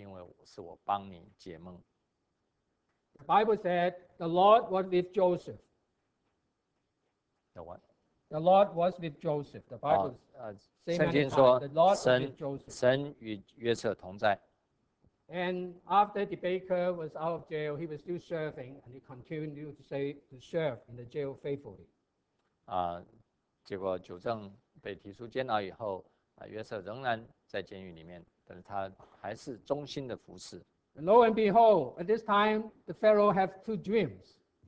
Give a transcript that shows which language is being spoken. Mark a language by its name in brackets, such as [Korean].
[Chinese] 那约瑟跟这个酒正说，你如果在法老面前蒙恩复职，那么你要记得我，因为是我帮你解梦。 [English] The Bible said, the Lord was with Joseph. The what? The Lord was with Joseph. The Bible says, [Chinese] 圣经说, [English] the Lord was with Joseph. [Chinese] 神与约瑟同在。 [English] And after the baker was out of jail, he was still serving, and he continued to serve in the jail faithfully. [Chinese] 结果酒正被提出监牢以后，约瑟仍然在监狱里面，但是他还是忠心的服侍。 [English] Lo and behold, at this time, the Pharaoh had two dreams.